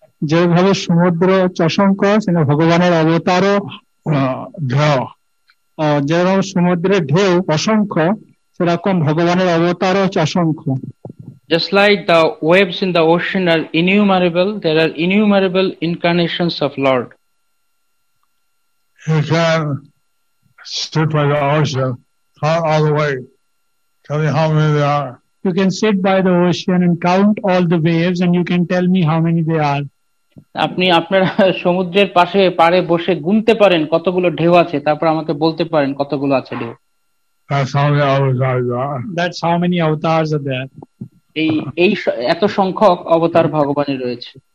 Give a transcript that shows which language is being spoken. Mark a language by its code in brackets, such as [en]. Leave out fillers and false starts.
[bn] যেভাবে সমুদ্র চশঙ্ক সেটা ভগবানের অবতার ঢেউ. যেভাবে সমুদ্রের ঢেউ অসংখ্য সেরকম ভগবানের অবতার চশঙ্ক. [en] Just like the waves in the ocean are innumerable, there are innumerable incarnations of Lord. He can sit by the ocean, count all the waves, tell me how many there are. You can sit by the ocean and count all the waves and you can tell me how many there are. [bn] আপনি আপনার সমুদ্রের পাশে পারে বসে গুনতে পারেন কতগুলো ঢেউ আছে, তারপর আমাকে বলতে পারেন কতগুলো আছে ঢেউ. [en] That's how many avatars are there. [bn] এই এত সংখ্যক অবতার ভগবানের রয়েছে.